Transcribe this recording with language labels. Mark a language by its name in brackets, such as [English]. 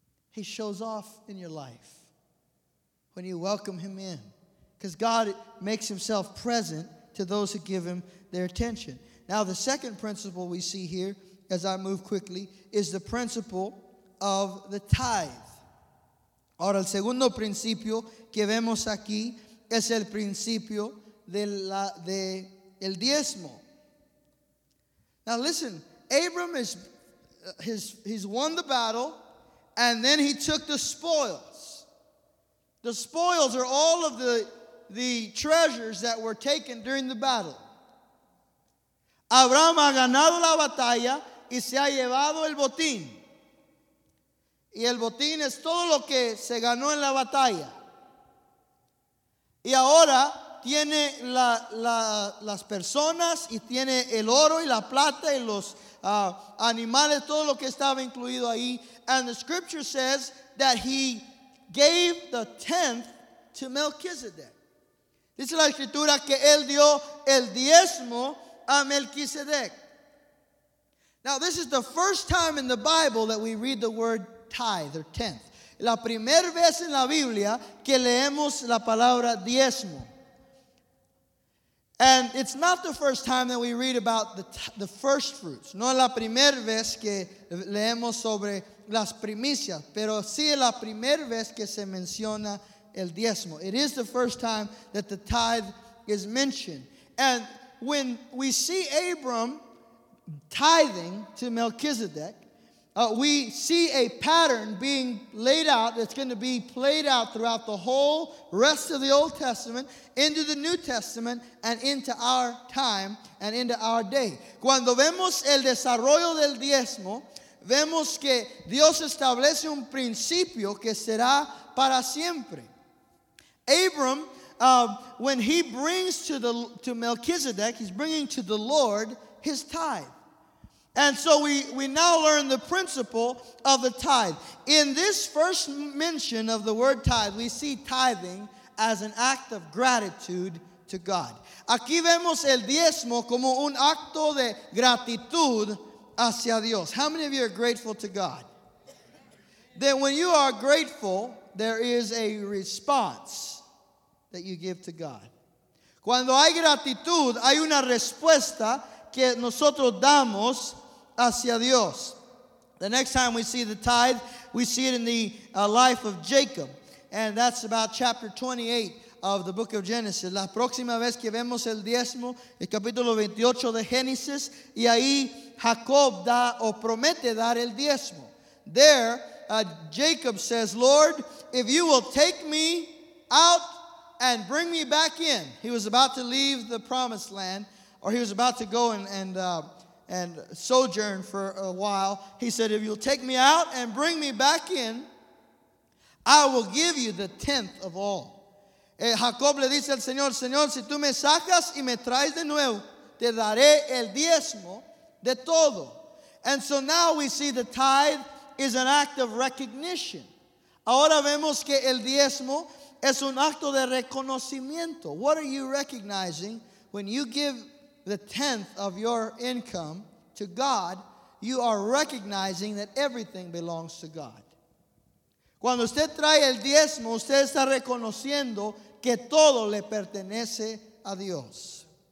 [English] He shows off in your life when you welcome him in, because God makes himself present to those who give him their attention. Now, the second principle we see here, as I move quickly, is the principle of the tithe. [Spanish] Ahora, el segundo principio que vemos aquí es el principio del diezmo. [English] Now listen, Abram he's won the battle, and then he took the spoils. The spoils are all of the treasures that were taken during the battle. [Spanish] Abraham ha ganado la batalla y se ha llevado el botín. Y el botín es todo lo que se ganó en la batalla. Y ahora tiene las personas y tiene el oro y la plata y los animales, todo lo que estaba incluido ahí. [English] And the scripture says that he gave the tenth to Melchizedek. [Spanish] Dice la escritura que él dio el diezmo a Melchizedek. [English] Now this is the first time in the Bible that we read the word tithe or tenth. [Spanish] La primera vez en la Biblia que leemos la palabra diezmo. [English] And it's not the first time that we read about the first fruits. [Spanish] No es la primera vez que leemos sobre las primicias, pero sí es la primera vez que se menciona el diezmo. [English] It is the first time that the tithe is mentioned. And when we see Abram tithing to Melchizedek, we see a pattern being laid out that's going to be played out throughout the whole rest of the Old Testament, into the New Testament, and into our time and into our day. [Spanish] Cuando vemos el desarrollo del diezmo, vemos que Dios establece un principio que será para siempre. [English] Abram, when he brings to Melchizedek, he's bringing to the Lord his tithe. And so we now learn the principle of the tithe. In this first mention of the word tithe, we see tithing as an act of gratitude to God. [Spanish] Aquí vemos el diezmo como un acto de gratitud hacia Dios. [English] How many of you are grateful to God? Then when you are grateful, there is a response that you give to God. [Spanish] Cuando hay gratitud, hay una respuesta que nosotros damos hacia Dios. [English] The next time we see the tithe, we see it in the life of Jacob. And that's about chapter 28 of the book of Genesis. [Spanish] La próxima vez que vemos el diezmo, el capítulo 28 de Génesis, y ahí Jacob da o promete dar el diezmo. [English] There, Jacob says, Lord, if you will take me out and bring me back in. He was about to leave the promised land, or he was about to go and sojourn for a while. He said, if you'll take me out and bring me back in, I will give you the tenth of all. [Spanish] Jacob le dice al Señor, Señor, si tú me sacas y me traes de nuevo, te daré el diezmo de todo. [English] And so now we see the tithe is an act of recognition. [Spanish] Ahora vemos que el diezmo es un acto de reconocimiento. [English] What are you recognizing when you give the tenth of your income to God? You are recognizing that everything belongs to God. [Spanish] Cuando usted trae el diezmo, usted está reconociendo que todo le pertenece a Dios.